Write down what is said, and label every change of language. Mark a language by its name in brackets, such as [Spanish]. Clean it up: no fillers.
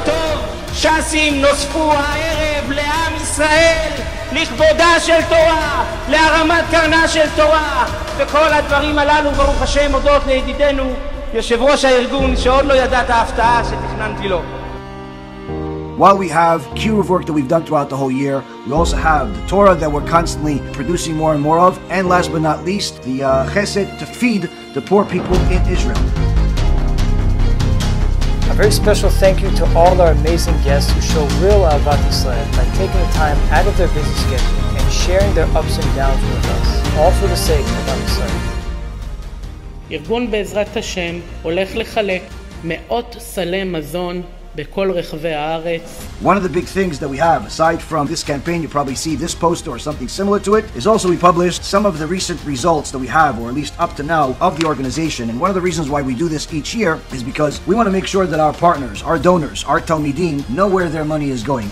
[Hebrew] טוב, ש"סים נוספו הערב לעם ישראל לכבודה של תורה, להרמת קרנה של תורה, וכל הדברים הללו ברוך השם הודות לידידנו יושב ראש הארגון שעוד לא ידע את ההפתעה שתכננתי לו. [English] While we have Kiruv work that we've done throughout the whole year, we also have the Torah that we're constantly producing more and more of, and last but not least, the Chesed to feed the poor people in Israel. A very special thank you to all our amazing guests who show real Ahavat Yisrael by taking the time out of their busy schedule and sharing their ups and downs with us, all for the sake of Ahavat Yisrael. [Hebrew] Yirgun Be'ezrat Hashem הולך לחלק מאות סלי מזון בכל רחבי הארץ. [English] One of the big things that we have, aside from this campaign, you probably see this poster or something similar to it, is also we published some of the recent results that we have, or at least up to now, of the organization. And one of the reasons why we do this each year is because we want to make sure that our partners, our donors, our Talmidim, know where their money is going.